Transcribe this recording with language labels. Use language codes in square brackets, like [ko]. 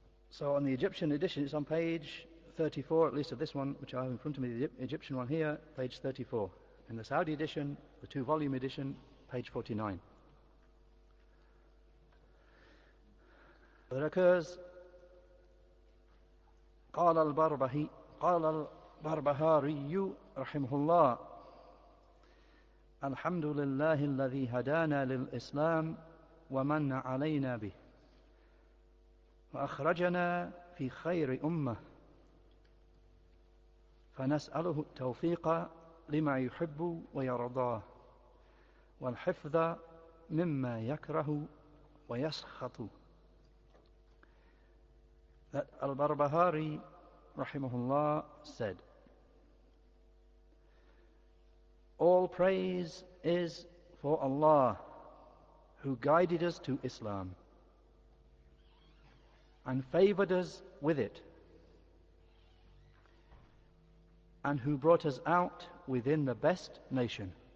[en] So on the Egyptian edition, it's on page 34, at least of this one, which I have in front of me, the Egyptian one here, page 34. In the Saudi edition, the two-volume edition, page 49. There occurs, [ar] قَالَ الْبَرْبَهَارِيُّ رَحِمْهُ اللَّهِ الْحَمْدُ لِلَّهِ الَّذِي هَدَانَا لِلْإِسْلَامِ وَمَنَّ عَلَيْنَا بِهِ وأخرجنا في خير أمة فنسأله التوفيق لما يحب ويرضاه والحفظ مما يكره ويسخط. [en] That Al-Barbahari, rahimahullah, said, all praise is for Allah who guided us to Islam and favored us with it, and who brought us out within the best nation.